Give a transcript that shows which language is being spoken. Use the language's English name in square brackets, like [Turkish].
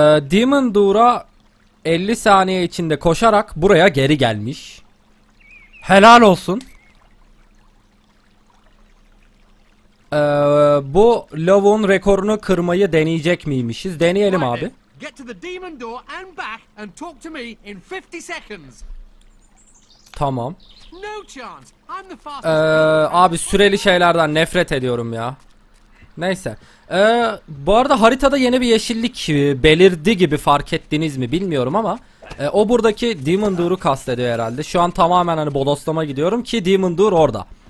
[Turkish] Demon Door'a 50 saniye içinde koşarak buraya geri gelmiş. Helal olsun. Bu Love'un rekorunu kırmayı deneyecek miymişiz? Deneyelim abi. [English] Get to the demon door and back and talk to me in 50 seconds. [Turkish] Tamam. [English] No chance. I'm the fastest. [Turkish] Abi süreli şeylerden nefret ediyorum ya. Neyse. Bu arada haritada yeni bir yeşillik belirdi gibi fark ettiniz mi bilmiyorum ama O buradaki Demon Door'u kastediyor herhalde. Şu an tamamen hani bodoslama gidiyorum ki Demon Door orada.